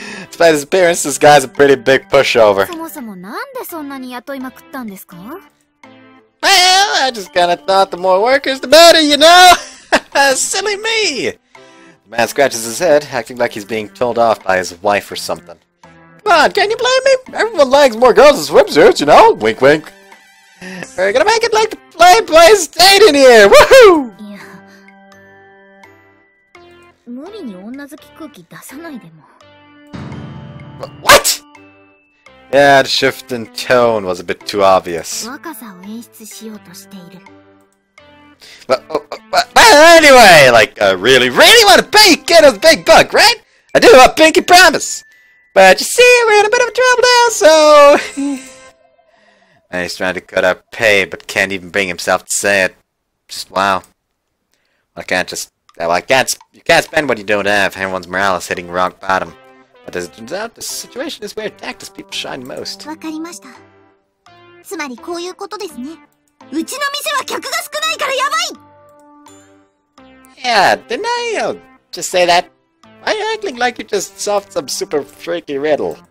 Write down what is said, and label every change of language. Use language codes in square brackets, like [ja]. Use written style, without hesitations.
[en] Despite his appearance, this guy's a pretty big pushover. [ja] そもそもなんでそんなに雇いまくったんですか [en] Well, I just kind of thought the more workers, the better, you know. Silly me. The man scratches his head, acting like he's being told off by his wife or something. Come on, can you blame me? Everyone likes more girls in swimsuits, you know? Wink wink. We're gonna make it like the Playboy State in here! Woohoo! What? Yeah, the shift in tone was a bit too obvious. But anyway, like, I really want to pay you kiddos a big buck, right? I do a pinky promise! But you see, we're in a bit of trouble now, so... And he's trying to cut our pay, but can't even bring himself to say it. Just, wow. You can't spend what you don't have. Everyone's morale is hitting rock bottom. But as it turns out, the situation is where tactless people shine most. [ja] わかりました。つまりこういうことですね。うちの店は客が少ないからやばい! [en] Yeah, didn't I just say that? Are you acting like you just solved some super freaky riddle?